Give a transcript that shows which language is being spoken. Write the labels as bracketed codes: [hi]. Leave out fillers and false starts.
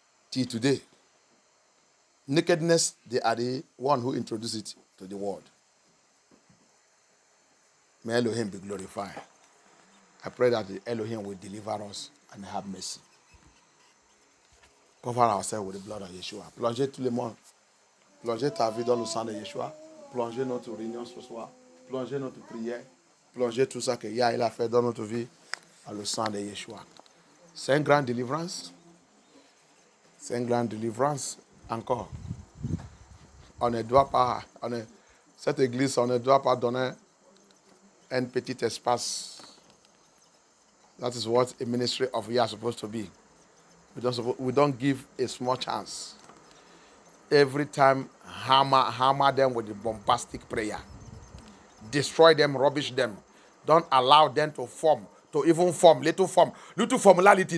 [en] Till today. Nakedness, they are the one who introduced it to the world. May Elohim be glorified. I pray that the Elohim will deliver us and have mercy. Cover ourselves with the blood of Yeshua. [fr] Plongez tout le monde. Plongez ta vie dans le sang de Yeshua. Plongez notre réunion ce soir. Plongez notre prière. Plongez tout ça que Yahweh a fait dans notre vie dans le sang de Yeshua. C'est une grande délivrance. C'est une grande délivrance encore. On ne doit pas, cette église, on ne doit pas donner un petit espace. [en] That is what a ministry of Yah is supposed to be. We don't give a small chance. Every time, hammer them with a bombastic prayer. Destroy them, rubbish them. Don't allow them to form, to even form, little formality.